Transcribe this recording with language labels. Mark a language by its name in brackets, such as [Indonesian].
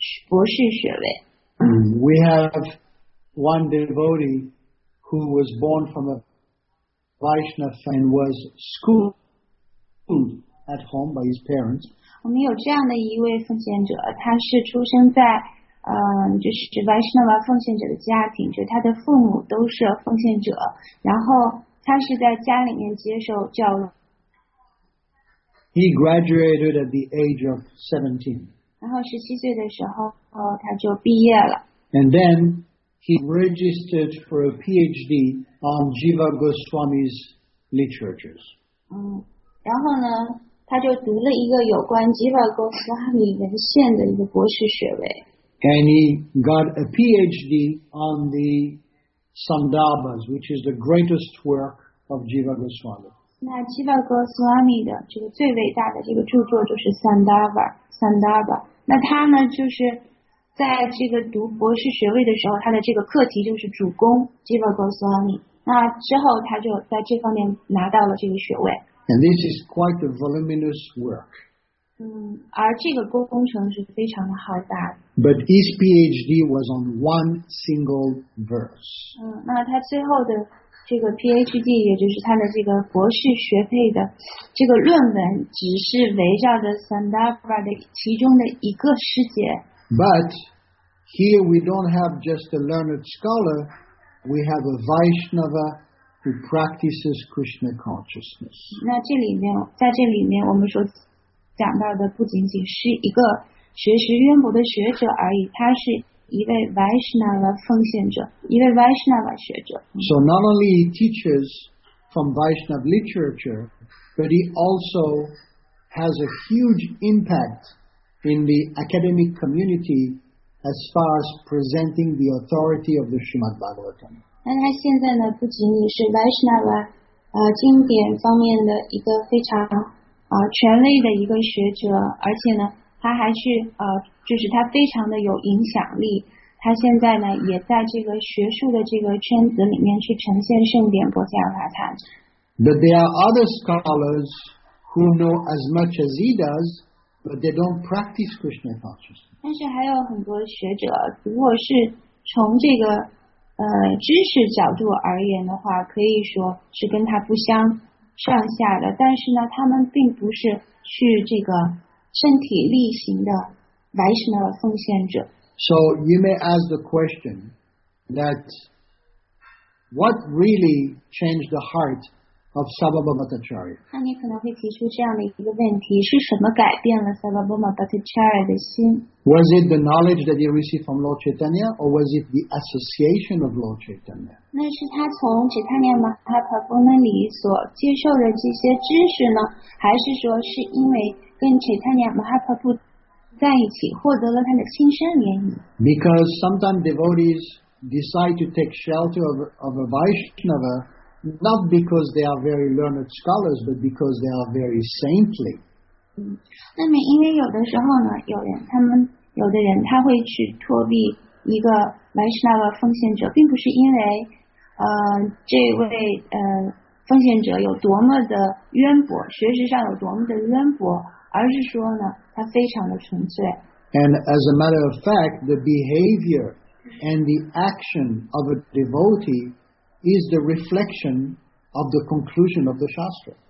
[English] We have one devotee who was born from a Vaishnava and was schooled at home by his parents. [Chinese] 我们有这样的一位奉献者，他是出生在就是 Vaishnava 奉献者的家庭，就是他的父母都是奉献者，然后他是在家里面接受教育。 [English] He graduated at the age of 17. [Chinese] 然后17岁的时候，他就毕业了。 [English] And then he registered for a PhD on Jiva Goswami's literatures. [Chinese] 然后呢，他就读了一个有关 Jiva Goswami 文献的一个博士学位。 [English] And he got a PhD on the Sandarbhas, which is the greatest work of Jiva Goswami. [Chinese] 那 Jiva Goswami 的这个最伟大的这个著作就是 Sandarbha。那他呢，就是在这个读博士学位的时候，他的这个课题就是主攻 Jiva Goswami。那之后他就在这方面拿到了这个学位。 [English] And this is quite a voluminous work. [Chinese] 而这个工程是非常的浩大的。 [English] But his PhD was on one single verse. [Chinese] 那他最后的这个 PhD， 也就是他的这个博士学位的这个论文，只是围绕着 Sandarbha 的其中的一个师姐。 [English] But here we don't have just a learned scholar, we have a Vaishnava who practices Krishna consciousness. [Chinese] 那这里面，在这里面我们所讲到的不仅仅是一个学识渊博的学者而已，他是一位 Vaishnava 奉献者，一位 Vaishnava 学者。 [English] So not only he teaches from Vaishnava literature, but he also has a huge impact in the academic community as far as presenting the authority of the Srimad Bhagavatam. [Chinese] 那他现在呢，不仅仅是 Vaishnava 经典方面的一个非常权威的一个学者，而且呢，他还是就是他非常的有影响力，他现在呢也在这个学术的这个圈子里面去呈现盛典博加瓦塔。 [English] But there are other scholars who know as much as he does, but they don't practice Krishna consciousness. [Chinese] 但是还有很多学者，如果是从这个知识角度而言的话，可以说是跟他不相上下的，但是呢，他们并不是去这个身体力行的 Vaishnava 奉献者。 [English] So you may ask the question that what really changed the heart of Sababha Bhattacharya? [Chinese] 那你可能会提出这样的一个问题，是什么改变了 Sababha Bhattacharya 的心？ [English] Was it the knowledge that he received from Lord Chaitanya, or was it the association of Lord Chaitanya? [Chinese] 那是他从 Chaitanya Mahaprabhu 那里所接受的这些知识呢？还是说是因为跟 Chaitanya Mahaprabhu 在一起，获得了他的亲身联谊？ [English] Because sometimes devotees decide to take shelter of a Vaishnava, not because they are very learned scholars, but because they are very saintly. [Chinese] 那么因为有的时候呢，有的人他会去托庇一个 Vaishnava 奉献者，并不是因为这位奉献者有多么的渊博，学识上有多么的渊博，而是说呢，他非常的纯粹。 [English] And as a matter of fact, the behavior and the action of a devotee is the reflection of the conclusion of the Shastra.